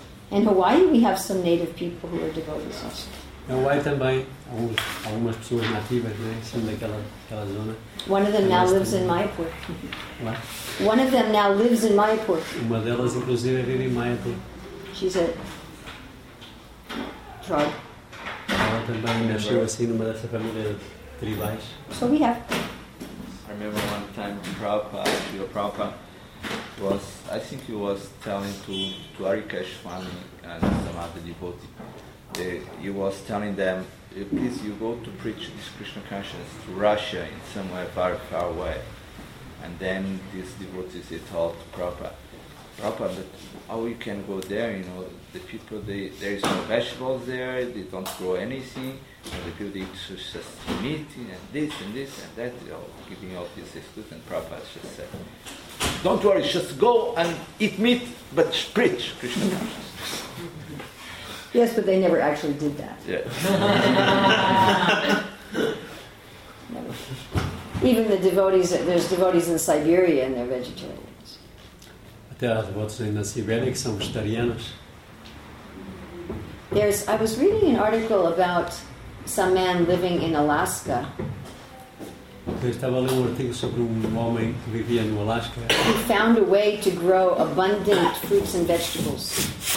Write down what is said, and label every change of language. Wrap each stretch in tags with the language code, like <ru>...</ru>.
<en>In Hawaii, we have some native people who are devotees also.</en> <pt>Em Hawaii também, algumas pessoas nativas, né, são daquela zona.</pt> <en>One of them now lives in Mayapur. One of them now lives in Mayapur.</en> <pt>Uma delas, inclusive, vive em Mayapur.</pt> <en>She's a tribe.</en> <pt>Ela também nasceu assim numa dessa família de tribais.</pt> <en>So we have. I remember one time Prabhupada, Srila Prabhupada, was, I think he was telling to Arikesh Swami and some other devotees. He was telling them, please, you go to preach this Krishna consciousness to Russia in somewhere far, far away. And then these devotees, they told Prabhupada, but how you can go there? You know, the people, there is no vegetables there, they don't grow anything, and the people eat just meat and this and that, you know, giving all these excuses. And Prabhupada just said, don't worry, just go and eat meat, but preach Krishna consciousness. Yes, but they never actually did that. Yes. Never. Even the devotees, there's devotees in Siberia and they're vegetarians.</en> <pt>Até há devotos na Sibéria que são vegetarianos.</pt> <en>I was reading an article about some man living in Alaska.</en> <pt>Eu estava a ler um artigo sobre homem que vivia no Alaska.</pt> <en>He found a way to grow abundant fruits and vegetables.</en>